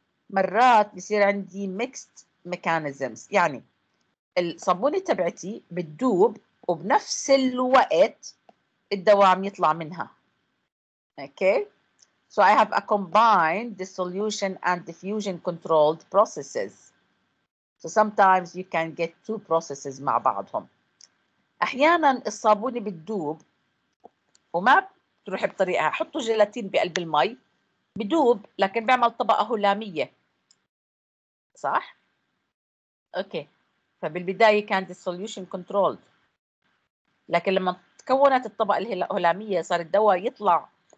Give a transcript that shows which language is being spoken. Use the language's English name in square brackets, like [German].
[Arabic] مرات بصير عندي mixed mechanisms، يعني الصابونة تبعتي بتدوب وبنفس الوقت الدواء عم يطلع منها. أوكي. [English] So I have a combined dissolution and diffusion controlled processes. So sometimes you can get two processes [Arabic] مع بعضهم. أحيانا الصابونة بتدوب وما بتروح بطريقها، حطوا جيلاتين بقلب المي بدوب لكن بعمل طبقة هلامية، صح؟ أوكي. فبالبداية كان dissolution controlled، لكن لما تكونت الطبقة الهلامية صار الدواء يطلع